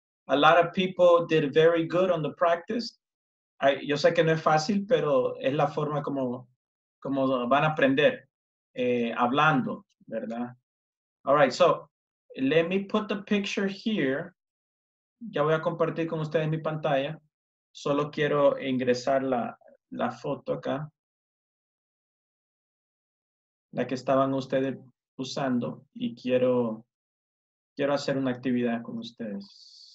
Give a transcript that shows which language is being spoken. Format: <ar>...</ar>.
<en>A lot of people did very good on the practice.</en> <es>Yo sé que no es fácil, pero es la forma como van a aprender hablando, ¿verdad?</es> <en>All right, so let me put the picture here.</en> <es>Ya voy a compartir con ustedes mi pantalla. Solo quiero ingresar la foto acá. la que estaban ustedes usando y quiero hacer una actividad con ustedes.</es>